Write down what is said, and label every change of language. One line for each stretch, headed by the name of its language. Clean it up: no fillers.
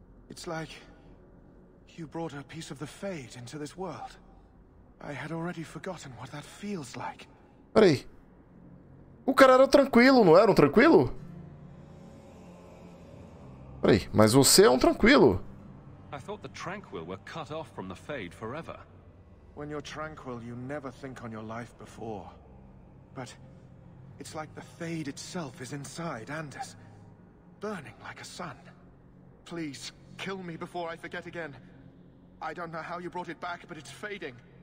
English: It's like you brought a piece of the Fade into this world. I had already forgotten what that feels like.
Portuguese: Peraí. O cara era tranquilo, não era um tranquilo? Peraí, mas você é um tranquilo.
English: I thought the tranquil were cut off from the Fade forever. When you're tranquil, you never think on your life before. But it's like the Fade itself is inside Anders, burning like a sun. Please kill me before I forget again. I don't know how you brought it back, but it's fading.